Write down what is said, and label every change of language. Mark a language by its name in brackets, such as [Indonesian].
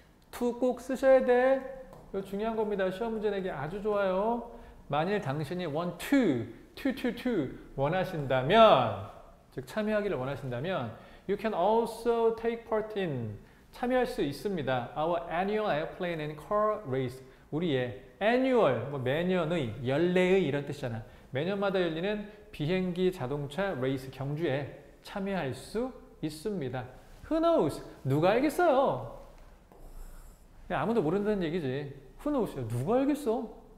[Korean] to 꼭 쓰셔야 돼. 이거 중요한 겁니다. 시험 문제 내기 아주 좋아요. 만일 당신이 want to 원하신다면, 즉 참여하기를 원하신다면 [English] you can also take part in, [Korean] 참여할 수 있습니다. [English] our annual airplane and car race. [Korean] 우리의 annual, 뭐 매년의, 연례의 이런 뜻이잖아. 매년마다 열리는 비행기 자동차 레이스 경주에 참여할 수 있습니다. [English] who knows? [Korean] 누가 알겠어요? 아무도 모른다는 얘기지. [English] Who knows? [Korean] 누가 알겠어?